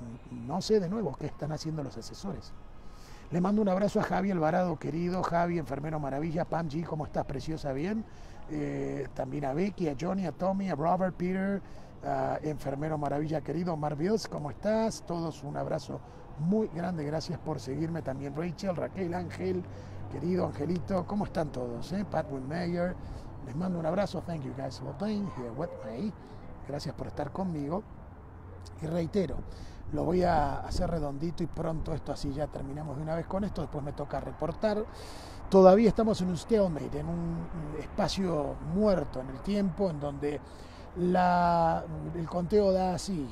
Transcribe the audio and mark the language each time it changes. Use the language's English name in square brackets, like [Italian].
[Spanish] No sé de nuevo qué están haciendo los asesores. Le mando un abrazo a Javi Alvarado, querido Javi, enfermero maravilla. Pam G, ¿cómo estás? Preciosa, bien. También a Vicky, a Johnny, a Tommy, a Robert, Peter, enfermero maravilla, querido. Marvios, ¿cómo estás? Todos un abrazo muy grande, gracias por seguirme. También Rachel, Raquel, Ángel, querido Angelito, ¿cómo están todos? Pat Winmeyer, les mando un abrazo. [English] Thank you guys for being here with me. [Spanish] Gracias por estar conmigo. Y reitero, lo voy a hacer redondito y pronto esto, así ya terminamos de una vez con esto. Después me toca reportar. Todavía estamos en un stalemate, en un espacio muerto en el tiempo, en donde el conteo da así.